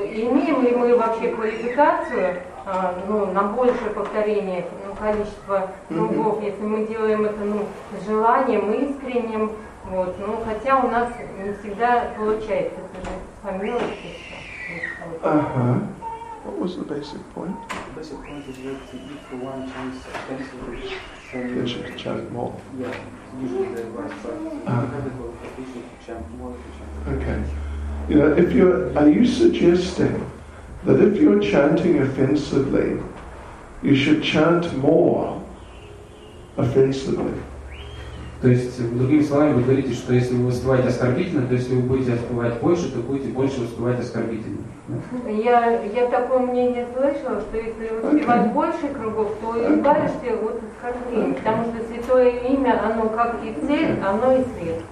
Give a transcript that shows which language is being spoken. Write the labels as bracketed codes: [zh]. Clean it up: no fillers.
[ru] И имеем ли мы вообще квалификацию ну, на большее повторение ну, количества кругов, если мы делаем это ну, желанием искренним, вот. Ну, хотя у нас не всегда получается, это же по милости. [en] What was the basic point? The basic point is that if one chants extensively, then you should chant more. Yeah, usually the advice, but you have the qualification to chant more if you chant. Okay. You know, are you suggesting that if you're chanting offensively, you should chant more offensively? [ru] То есть, другими словами, вы говорите, что если вы воспеваете оскорбительно, то если вы будете воспевать больше, то будете больше воспевать оскорбительно. Я такое мнение слышала, что если воспевать больше кругов, то избавишься от оскорбления. Потому что святое имя, оно как и цель, оно и средство.